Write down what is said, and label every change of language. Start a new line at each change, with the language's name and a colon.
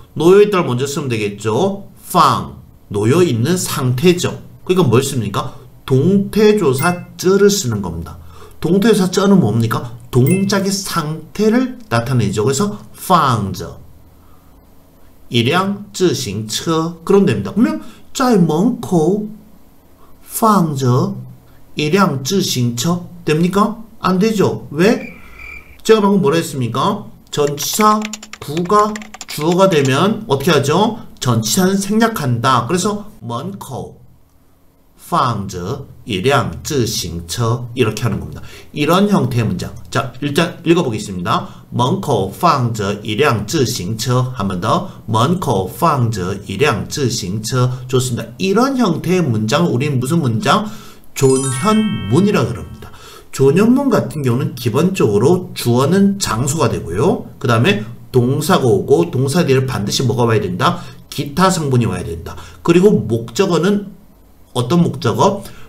Korean: 놓여 있다를 먼저 쓰면 되겠죠. 팡 놓여 있는 상태죠. 그러니까 뭘 씁니까? 동태조사 쩌를 쓰는 겁니다. 동태조사 쩌는 뭡니까? 동작의 상태를 나타내죠. 그래서 팡저 일량自行车 그럼 됩니다. 그러면
Chinese: 在门口放着一辆自行车
Korean: 됩니까? 안 되죠. 왜? 제가 방금 뭐라 했습니까? 전치사 부가 주어가 되면 어떻게 하죠? 전치사는 생략한다. 그래서
Chinese: 门口放着一辆自行车
Korean: 이렇게 하는 겁니다. 이런 형태의 문장. 자, 일단 읽어보겠습니다.
Chinese: 门口放着一辆自行车
Korean: 한번 더.门口放着一辆自行车 좋습니다. 이런 형태의 문장을 우리는 무슨 문장? 존현문이라고 합니다. 존현문 같은 경우는 기본적으로 주어는 장소가 되고요. 그 다음에 동사가 오고 동사 뒤에 반드시 뭐가 와야 된다? 기타 성분이 와야 된다. 그리고 목적어는 어떤 목적어?